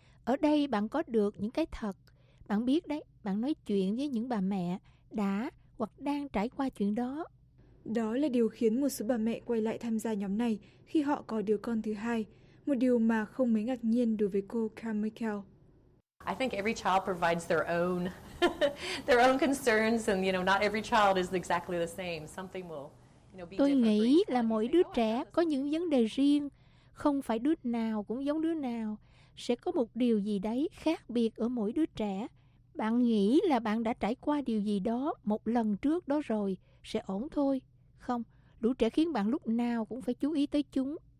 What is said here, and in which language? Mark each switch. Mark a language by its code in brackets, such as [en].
[vi] Ở đây bạn có được những cái thật. Bạn biết đấy, bạn nói chuyện với những bà mẹ đã hoặc đang trải qua chuyện đó. Đó là điều khiến một số bà mẹ quay lại tham gia nhóm này khi họ có đứa con thứ hai. Một điều mà không mấy ngạc nhiên đối với cô Carmichael. [en] I think every child provides their own their own concerns and you know not every child is exactly the same. Something will, you know, be [vi] tôi nghĩ là mỗi đứa trẻ có những vấn đề riêng, không phải đứa nào cũng giống đứa nào, sẽ có một điều gì đấy khác biệt ở mỗi đứa trẻ. Bạn nghĩ là bạn đã trải qua điều gì đó một lần trước đó rồi sẽ ổn thôi. Không, lũ trẻ khiến bạn lúc nào cũng phải chú ý tới chúng.